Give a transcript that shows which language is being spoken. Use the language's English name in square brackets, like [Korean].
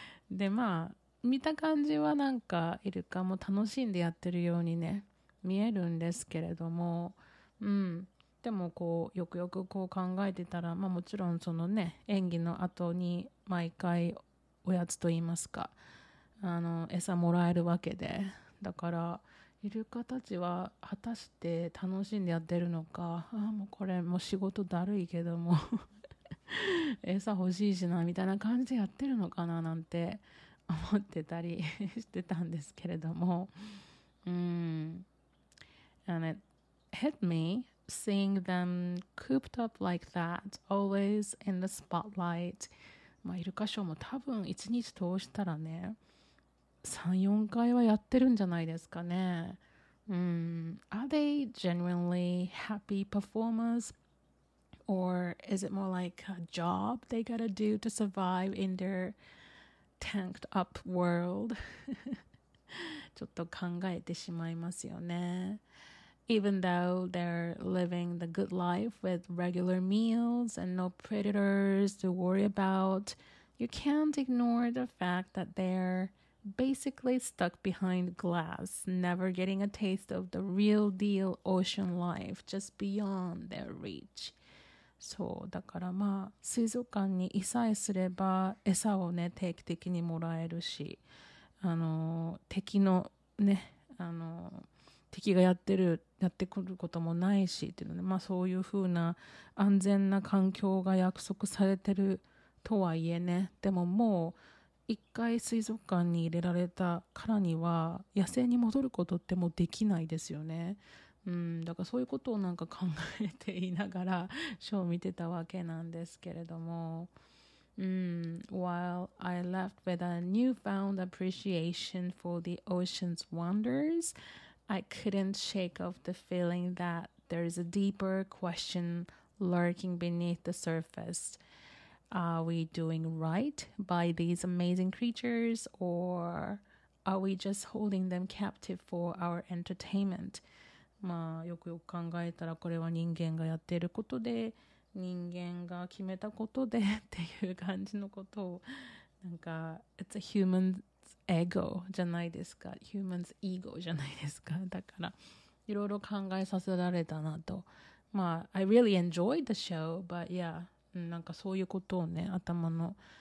[Japanese] で、まあ、見た感じはなんかイルカも楽しんでやってるようにね、見えるんですけれども、うん。でもこうよくよくこう考えてたら、まあもちろんそのね、演技の後に毎回おやつと言いますか、あの餌もらえるわけで、だからイルカたちは果たして楽しんでやってるのか、あもうこれもう仕事だるいけども餌欲しいしなみたいな感じでやってるのかななんて思ってたりしてたんですけれども、うん、 [English] And it hit me seeing them cooped up like that always in the spotlight. [Japanese] まあ、イルカショーも多分1日通したらね 3,4 回はやってるんじゃないですかね、うん、 Are they genuinely happy performers? [English] Or is it more like a job they gotta do to survive in their tanked up world? [Japanese] ちょっと考えてしまいますよね。 [English] Even though they're living the good life with regular meals and no predators to worry about, you can't ignore the fact that they're basically stuck behind glass, never getting a taste of the real deal ocean life just beyond their reach. [Japanese] そう、だからまあ水族館にいさえすれば餌をね定期的にもらえるし、あの敵のね、あの敵がやってくることもないしっていうので、まあそういうふうな安全な環境が約束されてるとはいえね、でももう一回水族館に入れられたからには野生に戻ることってもうできないですよね。うん、だからそういうことをなんか考えていながらショーを見てたわけなんですけれども、 [English] While I left with a newfound appreciation for the ocean's wonders. I couldn't shake off the feeling that there is a deeper question lurking beneath the surface. Are we doing right by these amazing creatures, or are we just holding them captive for our entertainment? [Japanese] まあよくよく考えたらこれは人間がやっていることで、人間が決めたことでっていう感じのことを、なんか [English] it's a human [Japanese] エゴじゃないですか、 Humans ego じゃないですか、だからいろいろ考えさせられたなと、まあ [English] I really enjoyed the show but yeah、 [Japanese] なんかそういうことをね頭の